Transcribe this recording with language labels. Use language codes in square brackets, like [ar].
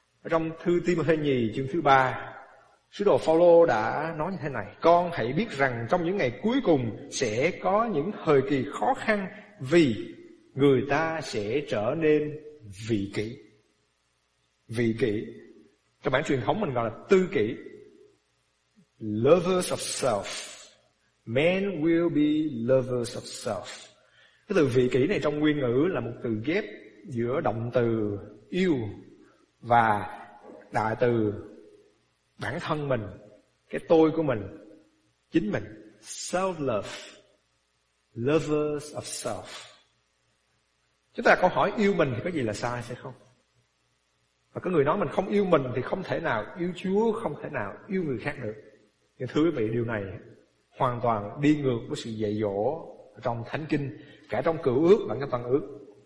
[vi] Trong thư Timothy nhì chương thứ 3, sứ đồ Phaolô đã nói như thế này: con hãy biết rằng trong những ngày cuối cùng sẽ có những thời kỳ khó khăn vì người ta sẽ trở nên vị kỷ. Vị kỷ, trong bản truyền thống mình gọi là tư kỷ. [en] Lovers of self. Men will be lovers of self. [vi] Cái từ vị kỷ này trong nguyên ngữ là một từ ghép giữa động từ yêu và đại từ bản thân mình, cái tôi của mình, chính mình. [en] Self-love, lovers of self. [vi] Chúng ta có hỏi yêu mình thì có gì là sai sẽ không? Và có người nói mình không yêu mình thì không thể nào yêu Chúa, không thể nào yêu người khác được. Nhưng thưa quý vị, điều này hoàn toàn đi ngược với sự dạy dỗ trong Thánh Kinh, cả trong Cựu Ước và trong Tân Ước.